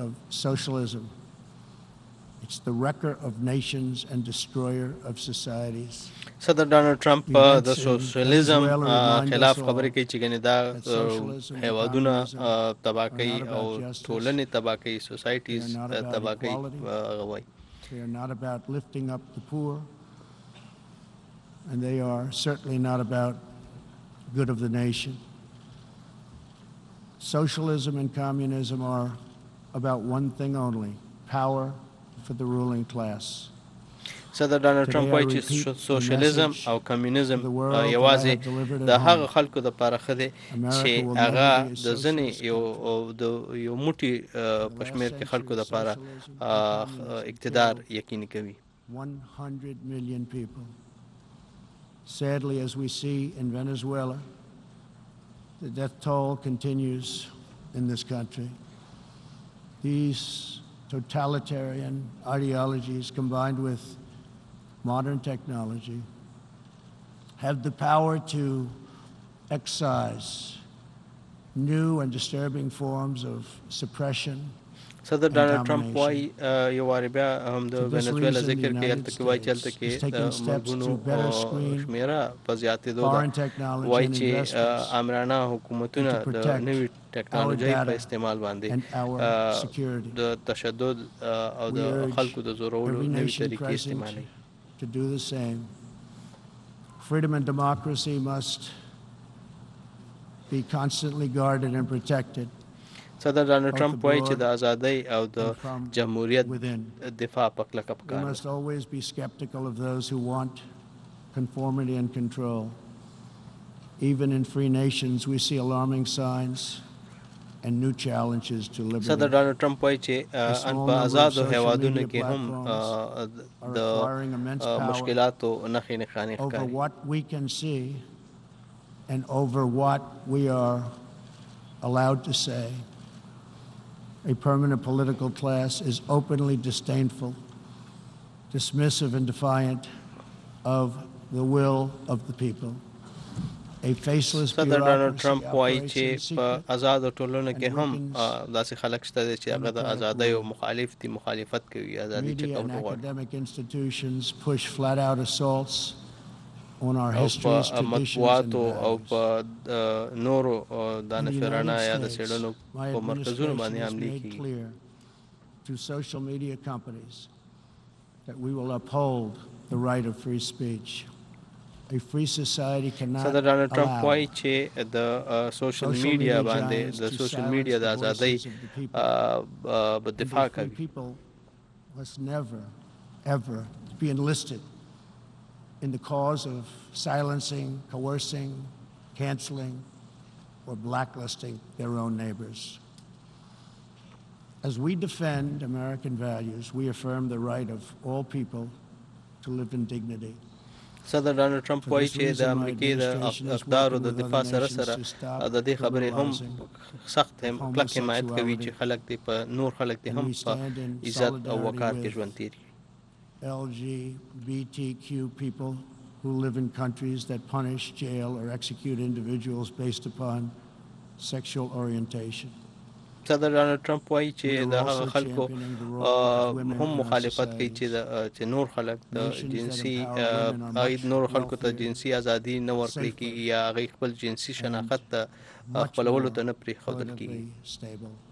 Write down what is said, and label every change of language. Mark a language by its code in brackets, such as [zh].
[en] It's the wrecker of nations and destroyer of societies. [ps] صدر ډونلډ ټرمپ د سوشلیزم خلاف خبرې کوي چې ګنې دا هیوادونه تباه کوي او ټولنې تباه کوي، سوسایټیز تباه کوي. هغه وایي [en] they are not about lifting up the poor and they are certainly not about good of the nation. Socialism and communism are about one thing only: power for the ruling class. [ps] صدر ډونالډ ټرمپ وایي چې سوشلزم او کمیونیزم یوازې د هغه خلکو لپاره ښه دی چې هغه د ځنې یو موټی په شمیر کې خلکو لپاره اقتدار یقیني کوي. [en] 100 million people. Sadly, as we see in Venezuela, the death toll continues in this country. These totalitarian ideologies combined with modern technology have the power to excise new and disturbing forms of suppression. [ps] صدر ډونالډ ټرمپ وایي یو وار بیا هم د وینزویلا ذکر کوي هلته کې وایي چې هلته کې مرګونو شمېره په زیاتېدو ده. وایي چې عامرانه حکومتونه د نوې ټکنالوژۍ په استعمال باندې د تشدد او د خلکو د زورولو نوې طریقې استعمالوي. صدر ډونالډ ټرمپ وایي چې د ازادۍ او د جمهوریت دفاع په کلکه پکار ده. [en] We must always be skeptical of those who want conformity and control. Even in free nations, we see alarming signs and new challenges to liberty. [ps] صدر ډونالډ ټرمپ وایي چې ان په آزادو هیوادونو کې هم د مشکلاتو نښې نښانې ښکاري. [en] Over what we can see and over what we are allowed to say. A permanent political class is openly disdainful, dismissive and defiant of the will of the people. A faceless bureaucracy. [ps] صدر ډونالډ ټرمپ وایي چې په آزاد ټولنه کې هم داسې خلک شته چې هغه د ازادۍ او مخالفت مخالفت کوي. ازادۍ چې کوم ډول [en] academic institutions push flat out assaults on our histories to [ps] مطبوعاتو او په نورو دانشورانا یا د سیډونو په مرکزونو باندې حملې کیږي. [en] To social media companies that we will uphold the right of free speech. A free society cannot [ps] صدر ډونالډ ټرمپ وایي چې د سوشل میډیا باندې د سوشل میډیا د ازادۍ په دفاع کوي. [en] People must never ever be enlisted in the cause of silencing, coercing, canceling or blacklisting their own neighbors. As we defend American values, we affirm the right of all people to live in dignity. [ps] صدر ډونالډ ټرمپ وایي چې د امریکای د اقدارو د دفاع سره سره د دې خبرې هم سخت هم کلک حمایت کوي چې خلک دې په نور خلک دې هم په عزت او وقار کې ژوند تیری. [en] LGBTQ people who live in countries that punish, jail or execute individuals based upon sexual orientation. [ps] صدر ډونالډ ټرمپ وایي چې د هغو خلکو هم مخالفت کوي چې نور خلک د جنسي اې نور خلکو ته جنسي ازادي نه ورکړي یا هغه خپل جنسي شناخت ته خپلولو ته نه پریښودل کیږي.